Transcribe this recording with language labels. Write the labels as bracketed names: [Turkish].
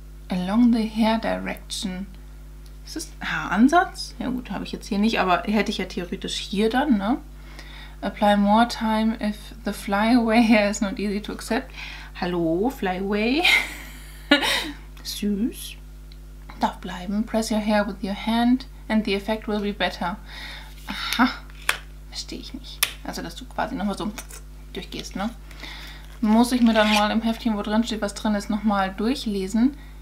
[English] Along the hair direction. [German] Ist das Haaransatz? Ja gut, habe ich jetzt hier nicht, aber hätte ich ja theoretisch hier dann, ne? [English] Apply more time if the flyaway hair is not easy to accept. [German] Hallo, flyaway. Süß. Darf bleiben. [English] Press your hair with your hand and the effect will be better. [German] Aha, verstehe ich nicht. Also, dass du quasi nochmal so durchgehst, ne? Muss ich mir dann mal im Heftchen, wo drin steht, was drin ist, nochmal durchlesen.